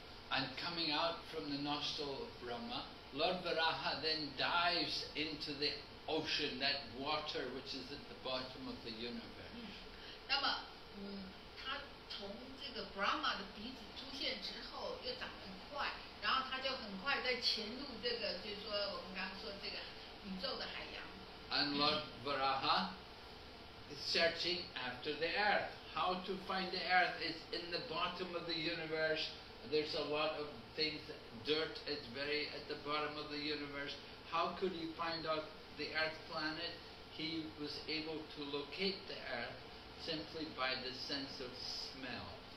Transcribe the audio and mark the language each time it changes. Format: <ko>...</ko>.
<en>And coming out from the nostril of Brahma, Lord Varaha then dives into the ocean, that water which is at the bottom of the universe.</en> <zh>那么，他从这个 Brahma 的鼻子出现之后，又长得很快，然后他就很快在潜入这个，就是说我们刚刚说这个宇宙的海洋。</zh> <en>And Lord Varaha is searching after the earth. How to find the earth? It's in the bottom of the universe. There's a lot of things. Dirt is very at the bottom of the universe. How could he find out the Earth planet? He was able to locate the Earth simply by the sense of smell.</en>